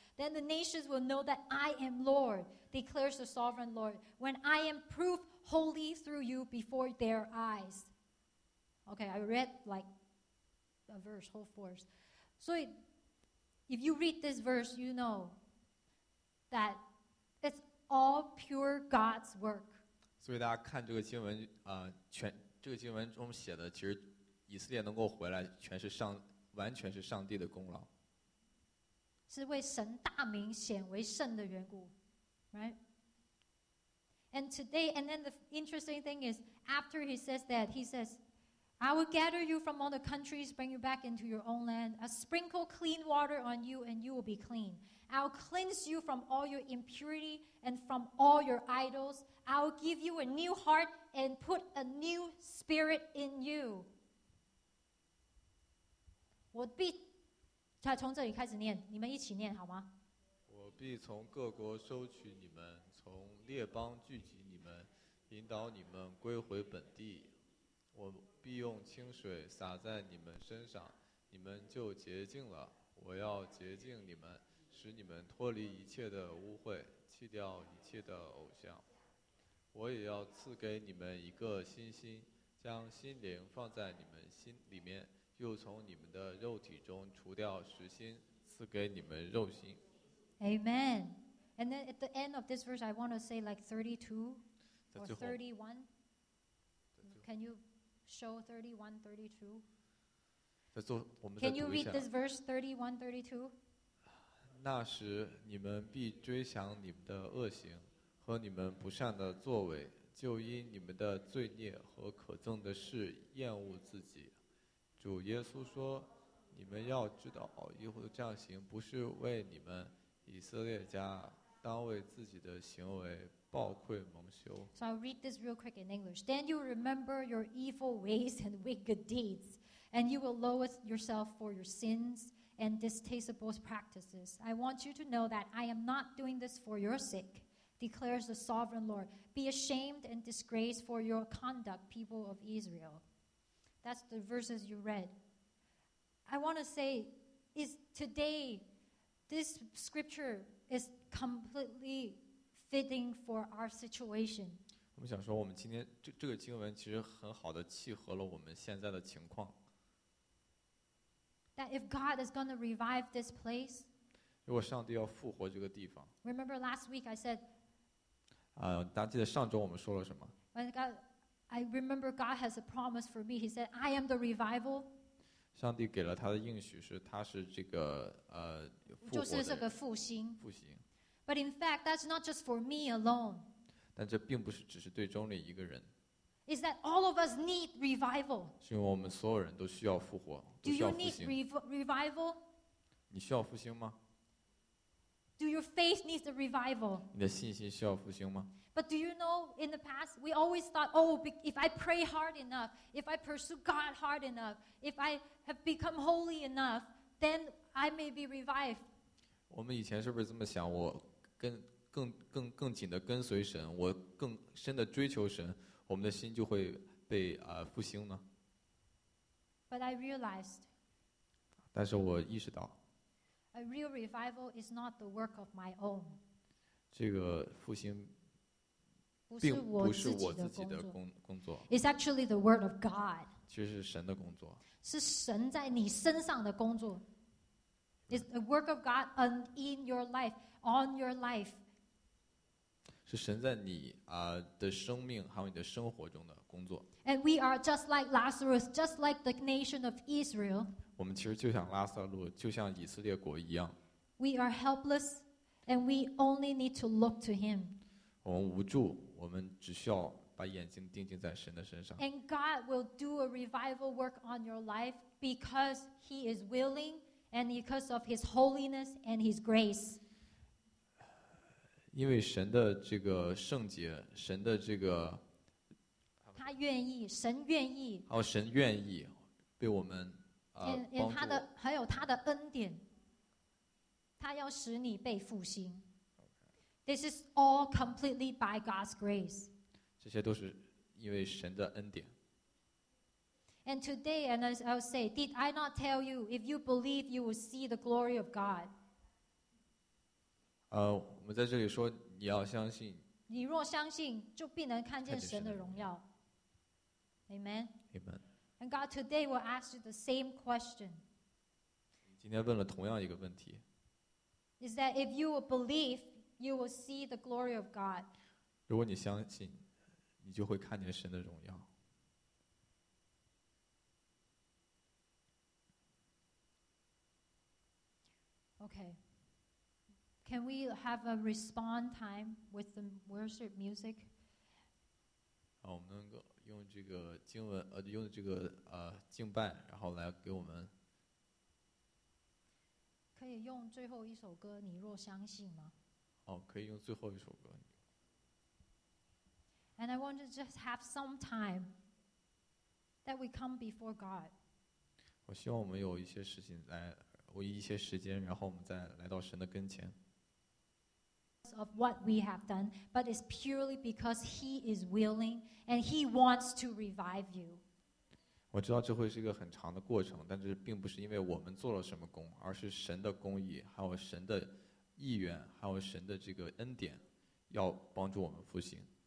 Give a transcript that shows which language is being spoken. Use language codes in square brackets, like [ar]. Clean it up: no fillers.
[en] Then the nations will know that I am Lord, declares the sovereign Lord, when I am proved holy through you before their eyes. Okay, I read like a verse, whole verse. So if you read this verse, you know that it's all pure God's work. [zh] 所以大家看这个经文，这个经文中写的，其实以色列能够回来，完全是上帝的功劳，是为神大名显为圣的缘故 ， [en] right? And today, and then the interesting thing is, after he says that, he says, "I will gather you from all the countries, bring you back into your own land. I'll sprinkle clean water on you, and you will be clean." I'll cleanse you from all your impurity and from all your idols. I'll give you a new heart and put a new spirit in you. [zh] 我必从这里开始念，你们一起念好吗？我必从各国收取你们，从列邦聚集你们，引导你们归回本地。我必用清水洒在你们身上，你们就洁净了。我要洁净你们。使你们脱离一切的污秽，弃掉一切的偶像。我也要赐给你们一个新心，将心灵放在你们心里面，又从你们的肉体中除掉石心，赐给你们肉心。 [en] Amen. And then at the end of this verse, I want to say like 32 or 31. Can you show 31, 32? Can you read this verse 31-32? [zh] 那时你们必追想你们的恶行和你们不善的作为，就因你们的罪孽和可憎的事厌恶自己。主耶稣说，你们要知道，以后这样行不是为你们以色列家，当为自己的行为报愧蒙羞。 [en] So I'll read this real quick in English. Then you remember your evil ways and wicked deeds, and you will lower yourself for your sins and distasteful practices. I want you to know that I am not doing this for your sake, declares the sovereign Lord. Be ashamed and disgraced for your conduct, people of Israel. That's the verses you read. I want to say, is today this scripture is completely fitting for our situation. [zh] 我们想说我们今天这个经文其实很好的契合了我们现在的情况。 [en] That if God is going to revive this place, [zh] 如果上帝要复活这个地方。 [en] Remember last week I said, [zh] 大家记得上周我们说了什么？ [en] When God, I remember God has a promise for me. He said, I am the revival. [zh] 上帝给了他的应许是他是这个复活的人。就是这个复兴。复兴。 [en] But in fact, that's not just for me alone. [zh] 但这并不是只是对中立一个人。 [en] Is that all of us need revival? [zh] 是因为我们所有人都需要复活，都需要复兴。 [en] Do you need revival? [zh] 你需要复兴吗？ [en] Do your faith need a revival? [zh] 你的信心需要复兴吗？ [en] But do you know, in the past, we always thought, oh, if I pray hard enough, if I pursue God hard enough, if I have become holy enough, then I may be revived. [zh] 我们以前是不是这么想？我更紧的跟随神，我更深的追求神，我们的心就会被复兴呢？ [en] But I realized. [zh] 但是我意识到。 A real revival is not the work of my own. 这个复兴并不是我自己的工作。 [en] It's actually the word of God. [zh] 其实是神的工作。是神在你身上的工作。 [en] It's the work of God in your life, on your life. [zh] 是神在你的生命还有你的生活中的工作。 [en] And we are just like Lazarus, just like the nation of Israel. [zh] 我们其实就像拉撒路，就像以色列国一样。 [en] We are helpless, and we only need to look to Him. [zh] 我们无助，我们只需要把眼睛定睛在神的身上。 [en] And God will do a revival work on your life because He is willing. And because of His holiness and His grace. [zh] 因为神的这个圣洁，神的这个，他愿意，神愿意，还有神愿意被我们帮助，还有他的恩典，他要使你被复兴。 [en] This is all completely by God's grace. [zh] 这些都是因为神的恩典。 [en] And today, and as I'll say, did I not tell you, if you believe, you will see the glory of God? [zh] 我们在这里说，你要相信。你若相信，就必能看见神的荣耀。 [en] Amen. Amen. And God today will ask you the same question. [zh] 今天问了同样一个问题。 [en] Is that if you will believe, you will see the glory of God? [zh] 如果你相信，你就会看见神的荣耀。 [en] Okay. Can we have a respond time with the worship music? [zh] 好，我们能够用这个经文，用这个敬拜，然后来给我们。可以用最后一首歌，你若相信吗？哦，可以用最后一首歌。 [en] And I want to just have some time that we come before God. [zh] 我希望我们有一些事情来。我一些时间，然后我们再来到神的跟前。 [en] Of what we have done, but it's purely because He is willing and He wants to revive you. [zh] 我知道这会是一个很长的过程，但是并不是因为我们做了什么功，而是神的公义，还有神的意愿，还有神的这个恩典，要帮助我们复兴。